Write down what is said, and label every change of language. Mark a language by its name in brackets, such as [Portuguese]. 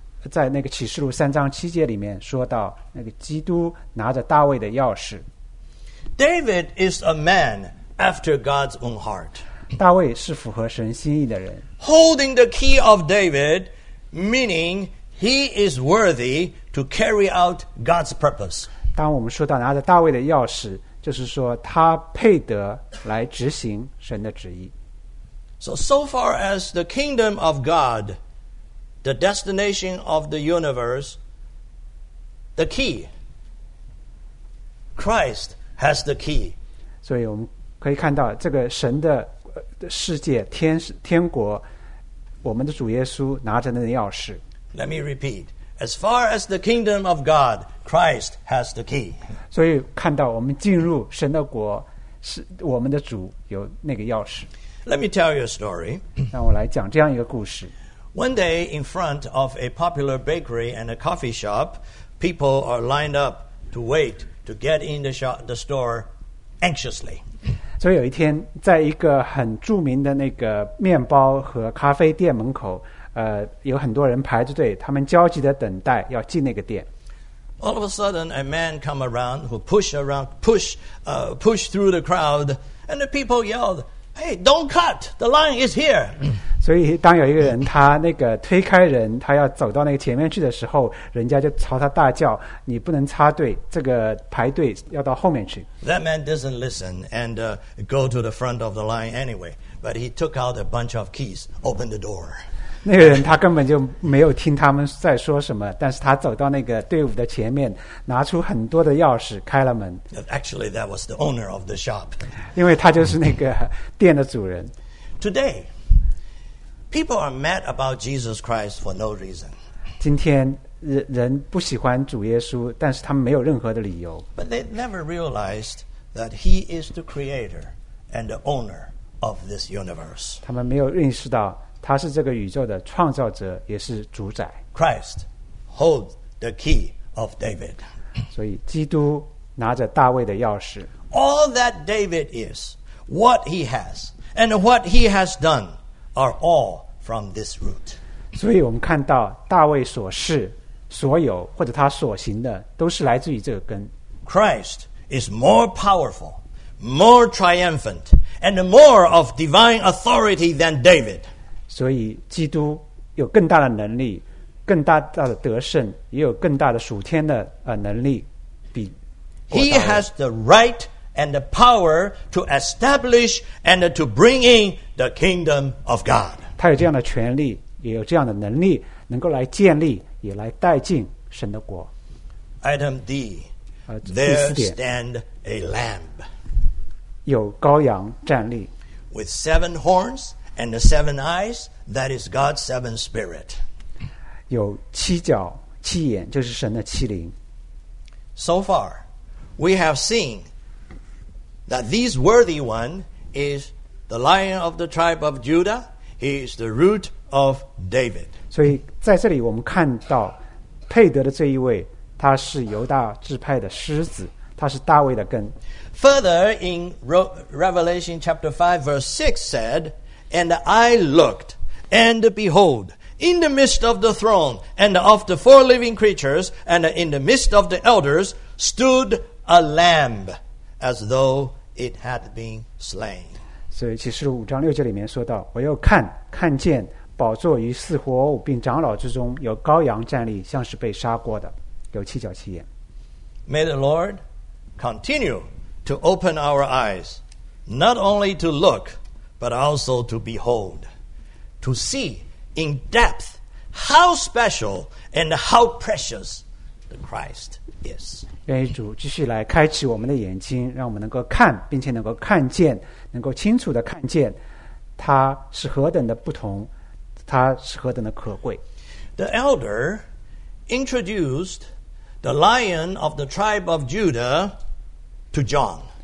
[Chinese] 在那个启示录3:7里面说到，那个基督拿着大卫的钥匙。 [English] David is a man after God's own heart. [Chinese] 大卫是符合神心意的人。 [English] Holding the key of David, meaning he is worthy to carry out God's purpose. [Chinese] 当我们说到拿着大卫的钥匙，就是说他配得来执行神的旨意。 [English] So far as the kingdom of God. The destination of the universe, the key. Christ has the key. [Chinese] 所以我们可以看到这个神的世界 天国我们的主耶稣拿着那钥匙。 [English] Let me repeat. As far as the kingdom of God, Christ has the key. [Chinese] 所以看到我们进入神的国是我们的主有那个钥匙。 [English] Let me tell you a story. [Chinese] 让我来讲这样一个故事。 [English] One day, in front of a popular bakery and a coffee shop, people are lined up to wait to get in the store anxiously. [Chinese] 所以有一天，在一个很著名的那个面包和咖啡店门口，有很多人排着队，他们焦急的等待要进那个店。 [English] All of a sudden, a man come around who push through the crowd, and the people yelled, "Hey, don't cut! The line is here." [Chinese] 所以当有一个人他那个推开人他要走到那个前面去的时候人家就朝他大叫你不能插队这个排队要到后面去 [English] That man doesn't listen and go to the front of the line anyway but he took out a bunch of keys opened the door [Chinese] 那个人他根本就没有听他们在说什么但是他走到那个队伍的前面拿出很多的钥匙开了门 [English] Actually that was the owner of the shop [Chinese] 因为他就是那个店的主人 [English] TodayPeople are mad about Jesus Christ for no reason. [Chinese] 今天人不喜欢主耶稣，但是他们没有任何的理由。 [English] But they never realized that he is the creator and the owner of this universe. [Chinese] 他们没有认识到他是这个宇宙的创造者，也是主宰。 [English] Christ hold the key of David. [Chinese] 所以基督拿着大卫的钥匙。 [English] All that David is, what he has, and what he has done are all from this root. [Chinese] 所以我们看到大卫所是所有或者他所行的都是来自于这个根。 [English] Christ is more powerful, more triumphant, and more of divine authority than David. [Chinese] 所以基督有更大的能力，更大大的得胜，也有更大的属天的能力，比。 [English] He has the right and the power to establish and to bring in the kingdom of God. [Chinese] 他有这样的权利，也有这样的能力，能够来建立，也来带进神的国。 [English] Item D, there stand a lamb. [Chinese] 有羔羊站立。 [English] With seven horns and the seven eyes, that is God's seven spirit. [Chinese] 有七角七眼，就是神的七灵。 [English] So far, we have seen that this worthy one is the lion of the tribe of Judah. He is the root of David. [Chinese] 所以在这里我们看到佩德的这一位，他是犹大支派的狮子，他是大卫的根。 [English] Further in Revelation chapter 5 verse 6 said, And I looked, and behold,In the midst of the throne and of the four living creatures and in the midst of the elders stood a lamb as though it had been slain. [Chinese] 所以启示录五章六节里面说到，我又看见宝座于四活物并长老之中有羔羊站立，像是被杀过的，有七角七眼。 [English] May the Lord continue to open our eyes, not only to look, but also to behold, to seeIn depth, how special and how precious the Christ is. [Chinese] 愿意主继续来开启我们的眼睛，让我们能够看，并且能够看见，能够清楚地看见，他是何等的不同，他是何等的可贵。 [English] The elder introduced the lion of the tribe of Judah to John.